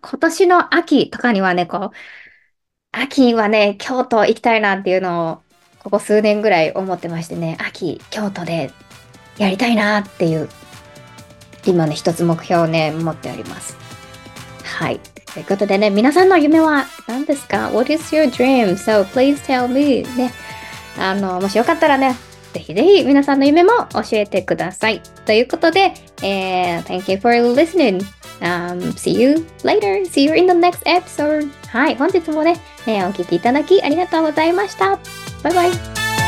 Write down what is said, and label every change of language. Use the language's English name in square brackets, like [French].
[Japanese] 今年の秋とかにはね、こう、秋はね、京都行きたいなっていうのを、ここ数年ぐらい思ってましてね、秋、京都でやりたいなっていう。今ね、一つ目標をね、持っております。はい。ということでね、皆さんの夢は何ですか？ [English] What is your dream? So please tell me. ね。 [Japanese] もしよかったらね、ぜひぜひ皆さんの夢も教えてください。ということで、 [English] Thank you for listening. See you later. See you in the next episode. [Japanese] はい。本日もね、お聞きいただきありがとうございました。バイバイ。